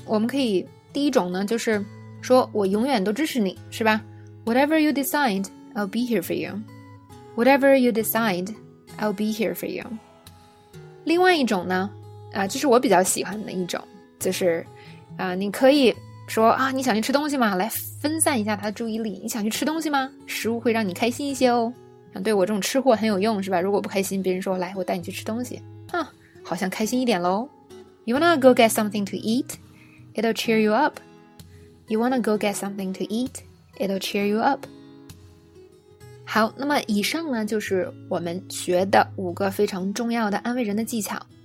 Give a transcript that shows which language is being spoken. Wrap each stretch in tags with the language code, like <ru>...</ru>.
<zh>我们可以第一种呢就是说我永远都支持你，是吧？</zh> <en>Whatever you decide, I'll be here for you. Whatever you decide, I'll be here for you.</en> <zh>另外一种呢这是我比较喜欢的一种，就是你可以说你想去吃东西吗？来分散一下他的注意力，你想去吃东西吗？食物会让你开心一些哦。对我这种吃货很有用是吧，如果不开心别人说来我带你去吃东西，好像开心一点咯。</zh> <en>You wanna go get something to eat? It'll cheer you up. You wanna go get something to eat? It'll cheer you up.</en> <zh>好，那么以上呢就是我们学的五个非常重要的安慰人的技巧。</zh>